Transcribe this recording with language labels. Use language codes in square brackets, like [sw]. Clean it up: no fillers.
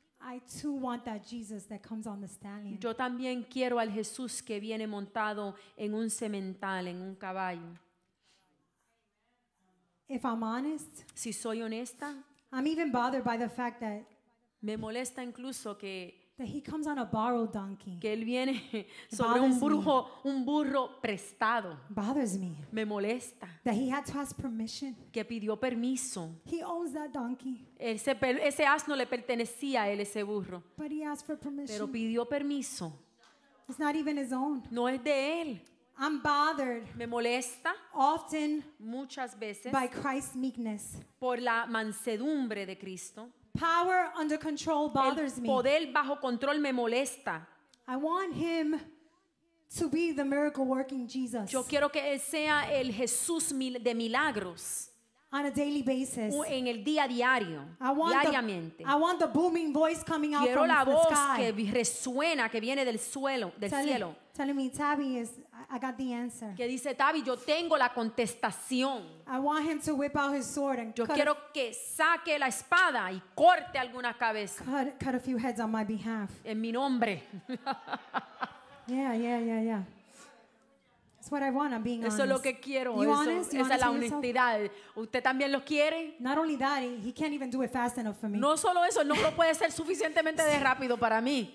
[en] I too want that Jesus that comes on the stallion. [es] Yo también quiero al Jesús que viene montado en un semental, en un caballo. [en] If I'm honest, [es] si soy honesta, [en] I'm even bothered by the fact that [es] me molesta incluso que [en] that he comes on a borrowed donkey. [es] Que él viene sobre un burro prestado. [en] Bothers me. [es] Me molesta. [en] That he had to ask permission. [es] Que pidió permiso. [en] He owns that donkey. [es] Ese asno le pertenecía a él, ese burro. [en] But he asked for permission. [es] Pero pidió permiso. [en] It's not even his own. [es] No es de él. [en] I'm bothered. [es] Me molesta. [en] Often. [es] Muchas veces. [en] By Christ's meekness. [es] Por la mansedumbre de Cristo. [en] Power under control bothers me. [es] El poder bajo control me molesta. [en] I want him to be the miracle working Jesus. [es] Yo quiero que él sea el Jesús de milagros. [en] On a daily basis. [es] En el día a diario. Diariamente. [en] I want the booming voice coming out [es] quiero [en] from the sky. [es] Quiero la voz que resuena, que viene del suelo, del cielo. [en] Telling me, Tabby is. I got the answer. [es] Que dice Tabby, yo tengo la contestación. [en] I want him to whip out his sword and [es] yo quiero que saque la espada y corte alguna cabeza. [en] Cut a few heads on my behalf. [es] En mi nombre. [en] Yeah. That's what I want. I'm being honest. [es] Eso es lo que quiero. [en] You honest? [es] Esa es la honestidad. ¿Usted también lo quiere? [en] Not only that, he can't even do it fast enough for me. [es] No solo eso, no lo puede hacer suficientemente de rápido para mí.